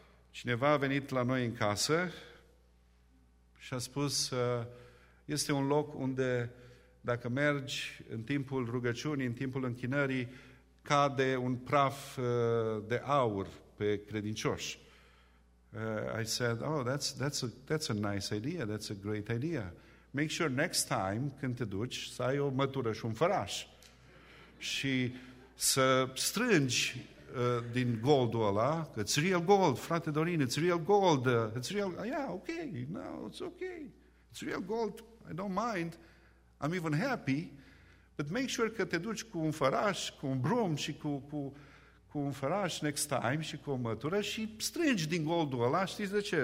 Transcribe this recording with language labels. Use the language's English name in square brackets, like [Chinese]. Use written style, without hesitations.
[Romanian] Cineva a venit la noi în casă și a spus este un loc unde dacă mergi în timpul rugăciunii, în timpul închinării, cade un praf de aur pe credincioși. [English] I said, oh, that's a nice idea, that's a great idea. Make sure next time, [Romanian] când te duci, să ai o mătură și un făraș. Și să strângi din goldul ăla, că [English] it's real gold, frate Dorin, it's real gold, it's real, yeah, okay, no, it's okay, it's real gold, I don't mind, I'm even happy, but make sure [Romanian] că te duci cu un făraș, cu un brum și cu un făraș [English] next time [Romanian] și cu o mătură și strângi din goldul ăla, știți de ce?